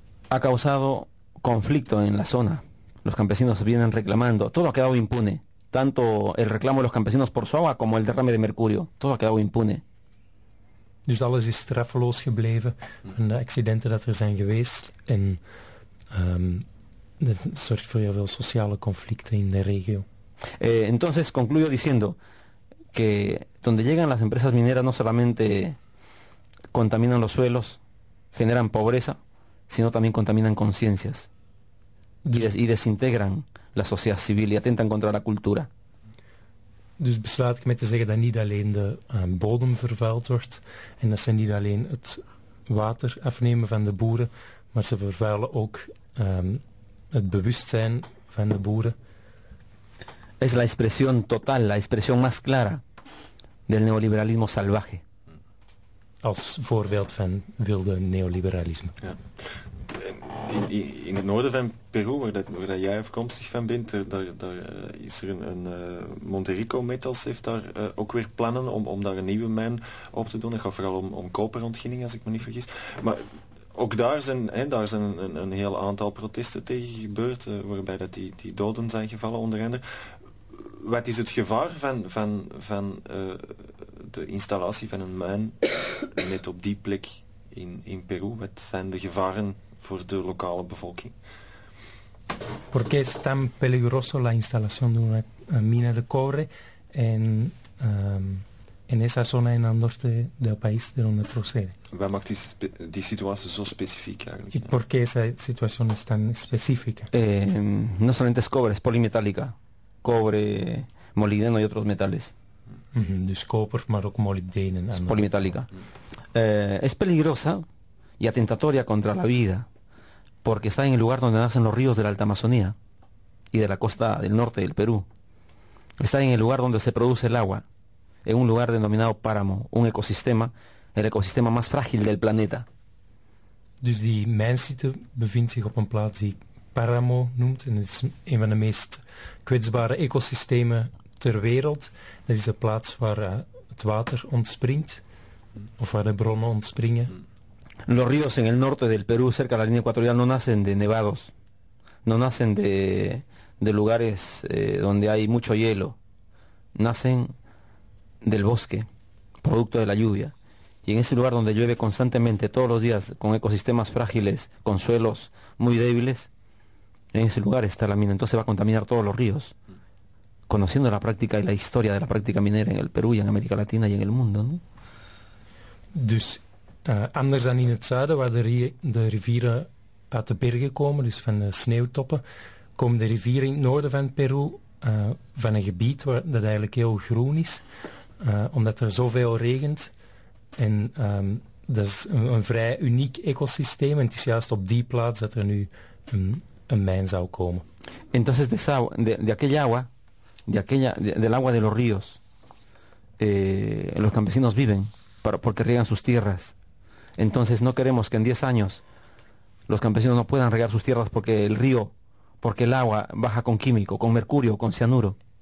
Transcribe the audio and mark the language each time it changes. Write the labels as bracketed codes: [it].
[es] Ha causado conflicto en la zona. Los campesinos vienen reclamando. Todo ha quedado impune. Tanto el reclamo de los campesinos por su agua como el derrame de mercurio. Todo ha quedado impune. [nl] Dus alles is straffeloos gebleven. En de accidenten dat er zijn geweest. En dat zorgt voor heel veel sociale conflicten in de regio. [es] Entonces concluyo diciendo que donde llegan las empresas mineras no solamente contaminan los suelos, generan pobreza, sino también contaminan conciencias y desintegran la sociedad civil y atentan contra la cultura. [nl] Dus besluit ik met te zeggen dat niet alleen de bodem vervuild wordt en dat ze niet alleen het water afnemen van de boeren, maar ze vervuilen ook het bewustzijn van de boeren. [es] Es la expresión total, la expresión más clara del neoliberalismo salvaje. [nl] Als voorbeeld van wilde neoliberalisme. Ja. In het noorden van Peru, waar jij afkomstig van bent, daar is er een Monterico Metals heeft daar ook weer plannen om daar een nieuwe mijn op te doen. Het gaat vooral om koperontginning, als ik me niet vergis. Maar ook daar zijn een heel aantal protesten tegen gebeurd, waarbij dat die doden zijn gevallen, onder andere. Wat is het gevaar van de installatie van een mijn net op die plek in Peru? Wat zijn de gevaren voor de lokale bevolking? [es] ¿Por qué es tan peligroso la instalación de una mina de cobre en esa zona en el norte del país de donde procede? [nl] Wat maakt die situatie zo specifiek eigenlijk? [es] ¿Y por qué esa situación es tan específica? No solamente es cobre, es polimetálica. Cobre, molibdeno y otros metales. Mm-hmm. [nl] Dus koper, maar ook molibdeno. [es] Es polimetálica. Es peligrosa y atentatoria contra la vida, porque está en el lugar donde nacen los ríos de la Alta Amazonía y de la costa del norte del Perú. Está en el lugar donde se produce el agua, en un lugar denominado páramo, un ecosistema, el ecosistema más frágil del planeta. [nl] Dus die mijnsite bevindt zich op een plaats die páramo noemt, en is een van de meest kwetsbare ecosystemen ter wereld. Dat is de plaats waar het water ontspringt, of waar de bronnen ontspringen. [es] Los ríos en el norte del Perú, cerca de la línea ecuatorial, no nacen de nevados. No nacen de lugares donde hay mucho hielo. Nacen del bosque, producto de la lluvia. Y en ese lugar donde llueve constantemente, todos los días, con ecosistemas frágiles, con suelos muy débiles, en ese lugar está la mina. Entonces va a contaminar todos los ríos. Conociendo la práctica y la historia de la práctica minera en el Perú y en América Latina y en el mundo, ¿no? [nl] Dus anders dan in het zuiden, waar de rivieren uit de bergen komen, dus van de sneeuwtoppen, komen de rivieren in het noorden van Peru van een gebied dat eigenlijk heel groen is, omdat er zoveel regent. En dat is een vrij uniek ecosysteem, en het is juist op die plaats dat er nu een mijn zou komen. [es] Entonces de aquella agua de los ríos, los campesinos viven. Porque riegan sus tierras. Entonces no queremos que en 10 años los campesinos no puedan regar sus tierras porque el río, porque el agua baja con químico, con mercurio, con cianuro.